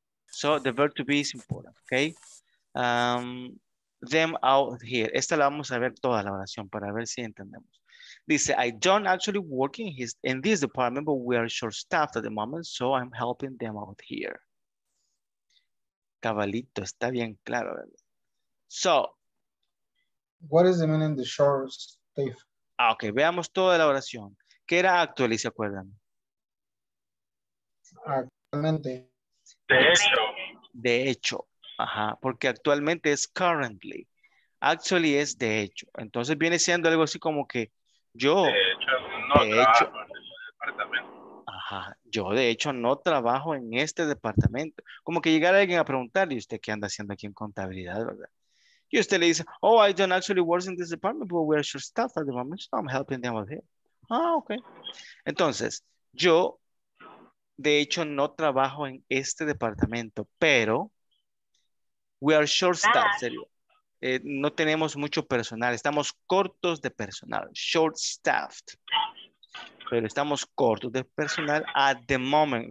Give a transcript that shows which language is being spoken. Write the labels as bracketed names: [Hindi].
[English] So the verb to be is important, okay? Them out here. [Spanish] Esta la vamos a ver toda la oración para ver si entendemos. [English] Dice, I don't actually work in this department, but we are short-staffed at the moment, so I'm helping them out here. [Spanish] Cabalito, está bien claro. So. [English] What is the meaning of the short-staffed? [Spanish] Ah, okay, veamos toda la oración. ¿Qué era actual, y se acuerdan? Actualmente. De hecho. De hecho. Ajá, porque actualmente es currently. Actually es de hecho. Entonces viene siendo algo así como que yo de hecho no de hecho, trabajo en este departamento. Ajá, yo de hecho no trabajo en este departamento. Como que llegara alguien a preguntarle, ¿y usted qué anda haciendo aquí en contabilidad, verdad? Y usted le dice, oh, [English] I don't actually work in this department, but we're short staff at the moment, so I'm helping them out here. Ah, ok. [Spanish] Entonces, yo de hecho no trabajo en este departamento, pero [English] we are short staff, [Spanish] serio. No tenemos mucho personal, estamos cortos de personal, short-staffed, pero estamos cortos de personal [English] at the moment.